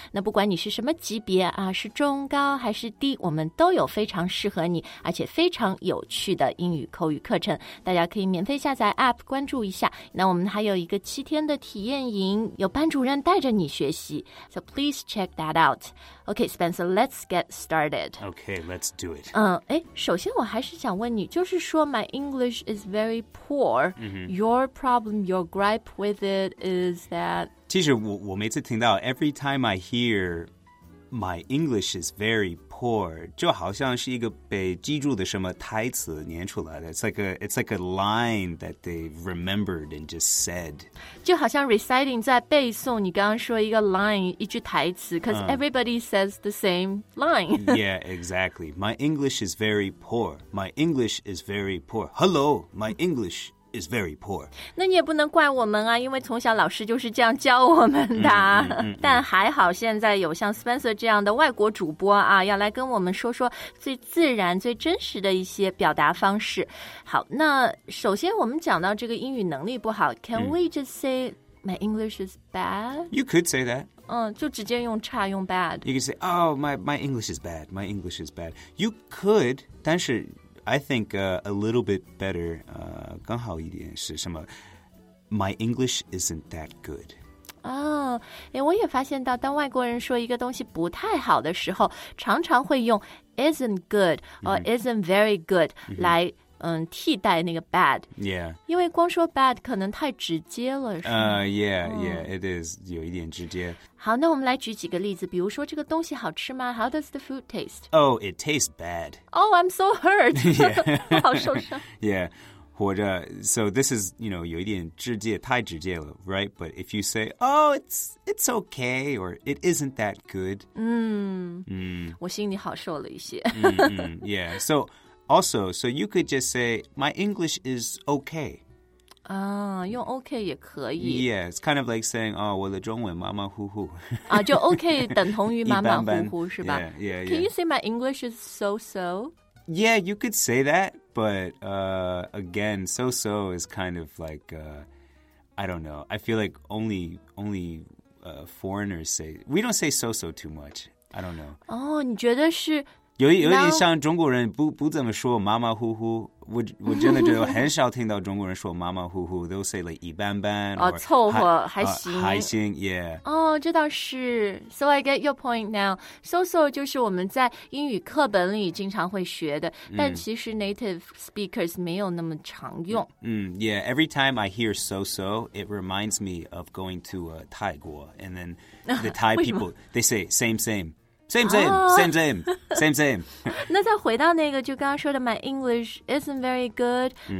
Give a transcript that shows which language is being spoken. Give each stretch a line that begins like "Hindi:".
Chinese: 那不管你是什么级别啊，是中高还是低，我们都有非常适合你而且非常有趣的英语口语课程，大家可以免费下载 app 关注一下。那我们还有一个7天的体验营，有班主任带着你学习，
English: so please check that out. Okay, Spencer, let's get started. Okay, let's do it.
Chinese: 首先我还是想问你，就是说
English: my English is very poor. Your problem, your gripe with it is that...
Chinese: 其实我每次听到
English: every time I hear my English is very poor,
Chinese: 就好像是一个被记住的什么台词念出来的。
English: It's like a line that they remembered and just said.
Chinese: 就好像 reciting 在背诵你刚刚说一个 line, 一句台词
English: because everybody says the same line. Yeah, exactly. My English is very poor. My English is very poor. Hello, my English is very poor.
Chinese: 那你也不能怪我们啊，因为从小老师就是这样教我们的。但还好现在有像 Spencer 这样的外国主播啊，要来跟我们说说最自然最真实的一些表达方式。好，那首先我们讲到这个英语能力不好，
English: Can we just say my English is bad? You could say that.
Chinese: 就直接用差用 bad.
English: You could say, oh, my English is bad. My English is bad. You could,
Chinese: 但是
English: I think a little bit better,
Chinese: 刚好一点是什么
English: My English isn't that good.
Chinese: 我也发现到当外国人说一个东西不太好的时候，常常会用
English: isn't good or isn't very good
Chinese: 来替代那个 bad.
English: Yeah.
Chinese: 因为光说 bad 可能太直接了，是吗？
English: Yeah, it is
Chinese: 有一点直接。好，那我们来举几个例子，比如说这个东西好吃吗？
English: How does the food taste? Oh, it tastes bad. Oh, I'm so hurt. Yeah.
Chinese: 我好受伤。
English: Yeah, 或者 so this is, you know,
Chinese: 有一点直接，太直接了，
English: right? But if you say, oh, it's okay, or it isn't that good.
Chinese: 我心里好受了一些。
English: Yeah, so... Also, so you could just say, my English is okay.
Chinese: 用 okay 也可以。
English: Yeah, it's kind of like saying, oh,
Chinese: 我的中文马马虎虎。就 okay 等同于马马虎虎是吧？
English: Yeah. Can you say my English is so-so? Yeah, you could say that, but again, so-so is kind of like, I don't know. I feel like only foreigners say, we don't say so-so too much. I don't know.
Chinese: 你觉得是有点像中国人不怎么说马马虎虎，我真的觉得我很少听到中国人说马马虎虎。
English: They'll say like
Chinese: 一般般，凑合，还行，还行 ，yeah。这倒是。
English: So I get your point now.
Chinese: So-so 就是我们在英语课本里经常会学的，但其实 native speakers 没有那么常用。
English: Yeah. Every time I hear so-so, it reminds me of going to 泰国 and then the Thai people they say same same. Same.
Chinese: 那再回到那个就刚刚说的
English: My English isn't very good、
Chinese: mm.